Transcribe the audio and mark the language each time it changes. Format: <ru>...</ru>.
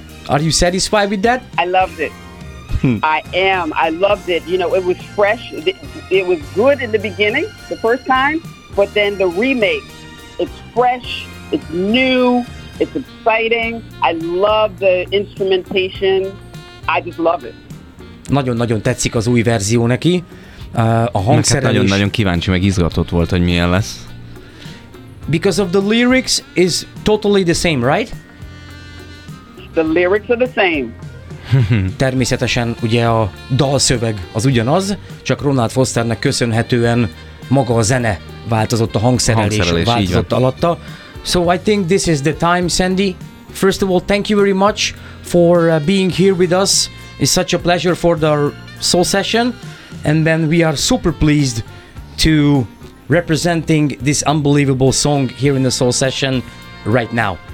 <en>Are you satisfied with that? I loved it. I loved it. You know, it was fresh. It was good in the beginning, the first time, but then the remake, it's fresh, it's new, it's exciting. I love the instrumentation. I just love it.</en> <hu>Nagyon-nagyon tetszik az új verzió neki. A hangszerelés. Hát nagyon-nagyon kíváncsi, meg izgatott volt, hogy milyen lesz.</hu> <en>Because of the lyrics is totally the same, right? The lyrics are the same.</en> <hu>Természetesen ugye a dalszöveg az ugyanaz, csak Ronald Fosternek köszönhetően maga a zene változott, a hangszerelés változott alatta.</hu> <en>So I think this is the time, Sandy. First of all, thank you very much for being here with us. It's such a pleasure for the soul session. And then we are super pleased to representing this unbelievable song here in the soul session right now.</en>